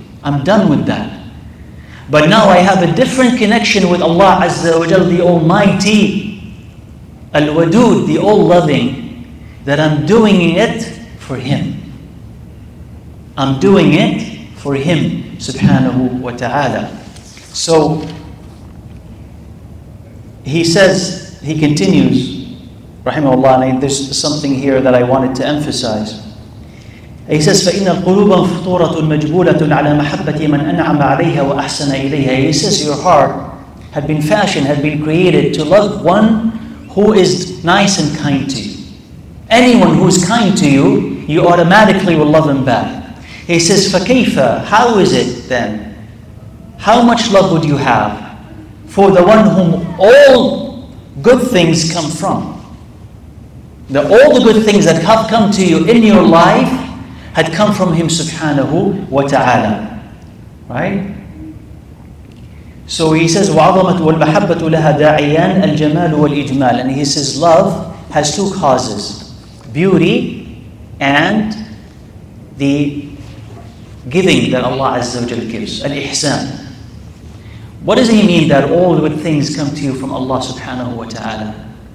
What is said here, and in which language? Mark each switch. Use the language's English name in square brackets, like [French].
[English] I'm done with that. But now I have a different connection with Allah Azza wa Jal, the Almighty, Al-Wadud, the All-Loving, that I'm doing it for Him. I'm doing it for Him, subhanahu wa ta'ala. So, he says, he continues, rahimahullah, and there's something here that I wanted to emphasize. He says, [Arabic] فَإِنَّ الْقُلُوبَ فُطُورَةٌ مَجْبُولَةٌ عَلَى مَحَبَّةِ مَنْ أَنْعَمَ عَلَيْهَا وَأَحْسَنَ إِلَيْهَا. [English] He says, your heart had been fashioned, had been created to love one who is nice and kind to you. Anyone who is kind to you, you automatically will love him back. He says, [Arabic] فَكَيْفَ, [English] how is it then? How much love would you have for the one whom all good things come from? All the good things that have come to you in your life had come from him, subhanahu wa ta'ala. Right? So he says, [Arabic] وَعَظَمَةُ وَالْمَحَبَّةُ لَهَا دَاعِيَانَ الْجَمَالُ وَالْإِجْمَالُ. [English] And he says, love has two causes, beauty and the giving that Allah Azza wa Jalla gives, al-ihsan. What does he mean that all good things come to you from Allah subhanahu wa ta'ala?